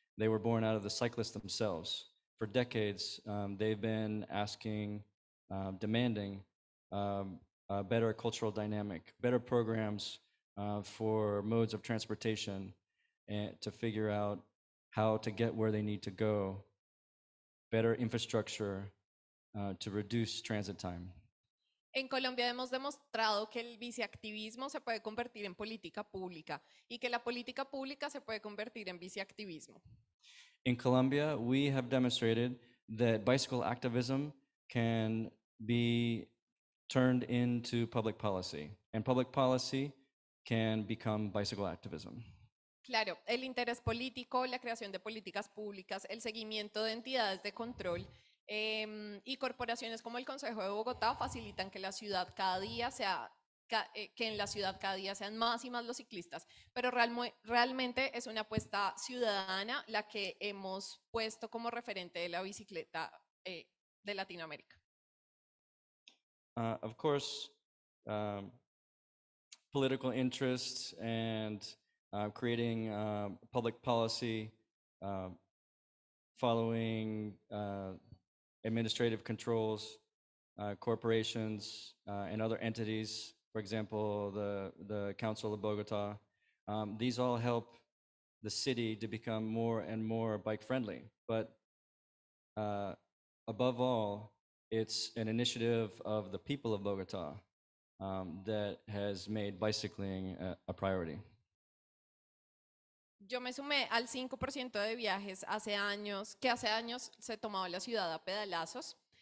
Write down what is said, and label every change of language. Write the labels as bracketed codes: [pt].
[en] They were born out of the cyclists themselves. For decades, they've been asking, demanding a better cultural dynamic, better programs for modes of transportation, and to figure out how to get where they need to go, better infrastructure to reduce transit time. [es] En Colombia hemos demostrado que el biciactivismo se puede convertir en política pública y que la política pública se puede convertir en biciactivismo. [en] In Colombia, we have demonstrated that bicycle activism can be turned into public policy, and public policy can become bicycle activism. [es] Claro, el interés político, la creación de políticas públicas, el seguimiento de entidades de control y corporaciones como el Consejo de Bogotá facilitan que la ciudad cada día sea, que en la ciudad cada día sean más y más los ciclistas. Pero realmente es una apuesta ciudadana la que hemos puesto como referente de la bicicleta de Latinoamérica. [en] Of course, political interests and creating public policy following administrative controls, corporations and other entities, for example, the Council of Bogota, these all help the city to become more and more bike friendly. But above all, it's an initiative of the people of Bogota that has made bicycling a priority. [es] Yo me sumé al 5% de viajes hace años, que hace años se tomaba la ciudad a pedalazos.